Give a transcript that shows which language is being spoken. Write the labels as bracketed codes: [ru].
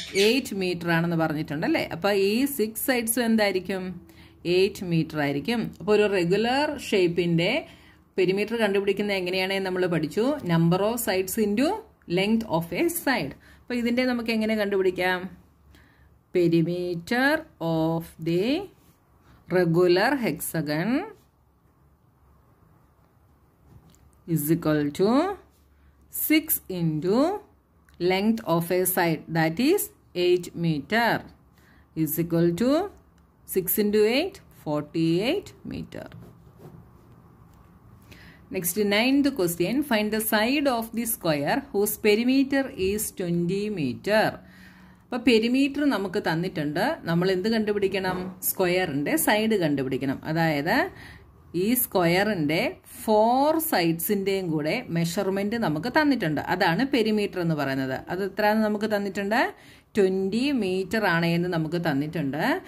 [ml] 8 metre ആണെന്ന് പറഞ്ഞിട്ടുണ്ട് അല്ലേ. അപ്പോൾ ഈ 6 സൈഡ്സും എന്തായിരിക്കും? 8 മീറ്റർ ആയിരിക്കും. അപ്പോൾ ഒരു റെഗുലർ ഷേപ്പിൻ്റെ പെരിമീറ്റർ കണ്ടുപിടിക്കുന്നത് എങ്ങനെയാണെന്ന് നമ്മൾ പഠിച്ചു. [en] Number of sides into length of a side. [ml] അപ്പോൾ ഇതിന്റെ നമുക്ക് എങ്ങനെ കണ്ടുപിടിക്കാം? [en] Perimeter of the regular hexagon is equal to 6 into length of a side, that is 8 meter, is equal to 6 into 8, 48 meter. Next, ninth question, find the side of the square whose perimeter is 20 meter. [ml] അപ്പോൾ perimeter നമുക്ക് തന്നിട്ടുണ്ട്. നമ്മൾ എന്ത് കണ്ടുപിടിക്കണം? സ്ക്വയറിൻ്റെ side കണ്ടുപിടിക്കണം. അതായത് ഈ സ്ക്വയറിൻ്റെ ഫോർ സൈഡ്സിൻ്റെയും കൂടെ മെഷർമെൻറ്റ് നമുക്ക് തന്നിട്ടുണ്ട്. അതാണ് പെരിമീറ്റർ എന്ന് പറയുന്നത്. അത് എത്രയാണ് നമുക്ക് തന്നിട്ടുണ്ട്? 20 മീറ്റർ ആണ് എന്ന് നമുക്ക് തന്നിട്ടുണ്ട്.